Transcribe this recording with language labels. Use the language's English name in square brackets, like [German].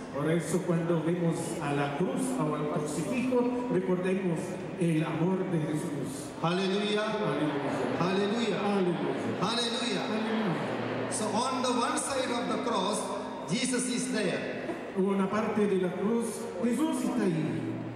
[Spanish] Por eso cuando vemos a la cruz o al crucifijo, recordemos el amor de Jesús. Aleluya. Aleluya. Aleluya. Aleluya. [English] So on the one side of the cross, Jesus is there. [Spanish] Una parte de la cruz, Jesús está ahí.